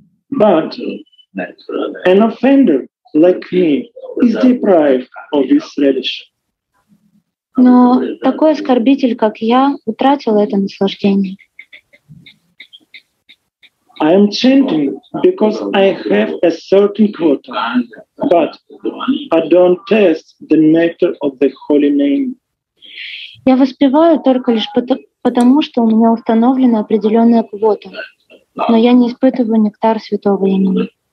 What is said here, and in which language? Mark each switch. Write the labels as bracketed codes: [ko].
[en] But an offender like me is deprived of this relish. [ru] Но такой оскорбитель, как я, утратил это наслаждение. [en] I am chanting because I have a certain quota, but I don't taste the nectar of the holy name. [ru] Я воспеваю только лишь потому, что у меня установлена определенная квота, но я не испытываю нектар святого имени.